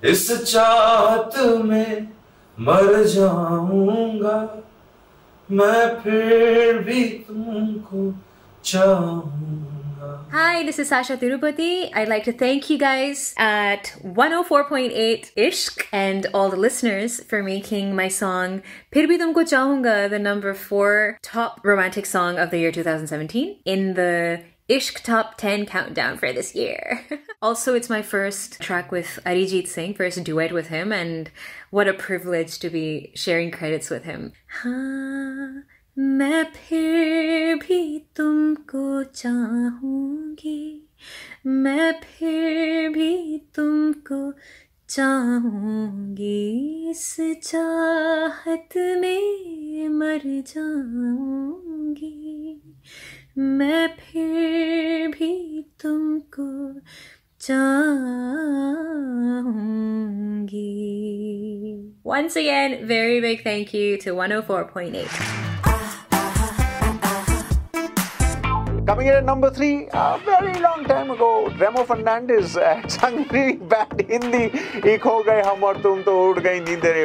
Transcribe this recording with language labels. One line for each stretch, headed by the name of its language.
Hindi: इस चाहत में मर जाऊंगा, मैं फिर भी तुमको चाहूंगा।
English: Hi, this is Sasha Tirupati. I'd like to thank you guys at 104.8 Ishq and all the listeners for making my song Phir Bhi Tumko Chahunga the number 4 top romantic song of the year 2017 in the Ishq Top 10 countdown for this year. Also, it's my first track with Arijit Singh, first duet with him, and what a privilege to be sharing credits with him.
Hindi: Main phir bhi tumko chahungi, main phir bhi tumko chahungi, is chahat mein mar jaungi. मैं फिर भी तुमको चाहूंगी।
English: Once again, very big thank you to 104.8. Coming in at number 3, a very long time ago, Remo Fernandez sang really bad Hindi.
Hindi: Ek ho gaye hum aur tum to ud gaye neendre.